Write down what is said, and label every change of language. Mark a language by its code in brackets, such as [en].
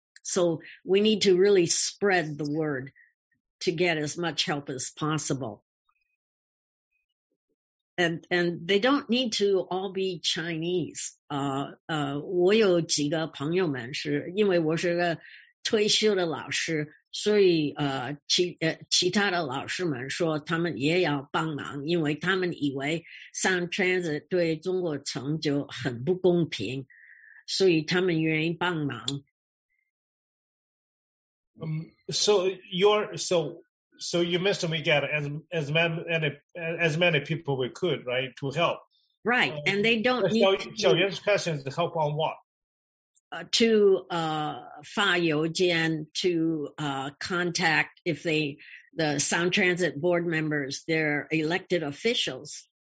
[en] So we need to really spread the word to get as much help as possible. And they don't need to all be Chinese. [zh] 我有几个朋友们是因为我是个退休的老师，所以其他的老师们说他们也要帮忙，因为他们以为上 transit 对中国城就很不公平，所以他们愿意帮忙。 [en] So you mentioned we get as many people we could, right, to help. Right, and they don't need... Xiao Yan's question is to help on what? To [zh] 发邮件, [en] to contact if they, the Sound Transit board members, their elected officials.